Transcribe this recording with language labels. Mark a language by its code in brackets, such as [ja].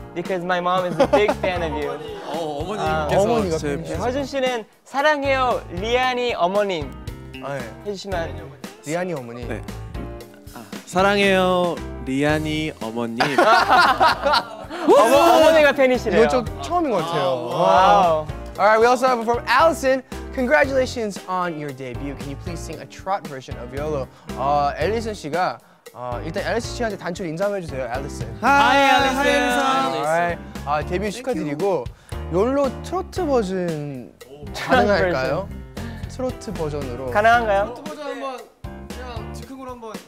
[en] Because my mom is a big fan of you. [ko] 어머님께서 제 허준 씨는 사랑해요 리안이 어머님. 아, 네. 해주시면 리안이 어머니. 네. 아, 사랑해요 리안이 어머님. 어머니가 팬이시래요. 이거 좀 처음인 것 같아요. 와우. [en] Alright, we also have from Allison. Congratulations on your debut. Can you please sing a trot version of YOLO? [ko] 앨리슨 씨가 일단 앨리슨 씨한테 단추로 인사 한번 해주세요, 앨리슨. [en] Hi, [ko] 앨리슨. Alright, 데뷔 축하드리고 YOLO 트로트 버전 가능할까요? 트로트 버전으로 가능한가요? 트로트 버전 한번 그냥 즉흥으로 한번.